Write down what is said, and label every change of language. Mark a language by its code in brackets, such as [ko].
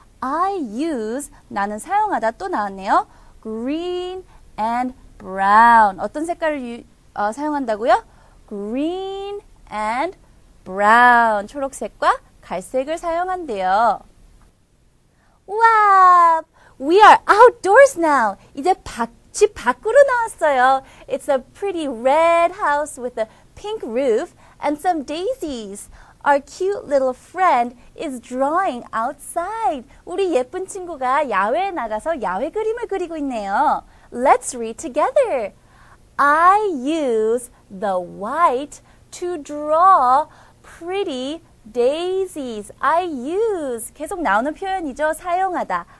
[en] I use, [ko] 나는 사용하다 또 나왔네요. [en] Green and brown. [ko] 어떤 색깔을 사용한다고요? [en] Green and brown. [ko] 초록색과 갈색을 사용한대요. [en] Wow! We are outdoors now. [ko] 이제 집 밖으로 나왔어요. [en] It's a pretty red house with a pink roof and some daisies. Our cute little friend is drawing outside. [ko] 우리 예쁜 친구가 야외에 나가서 야외 그림을 그리고 있네요. [en] Let's read together. I use the white to draw pretty daisies. I use, [ko] 계속 나오는 표현이죠. 사용하다.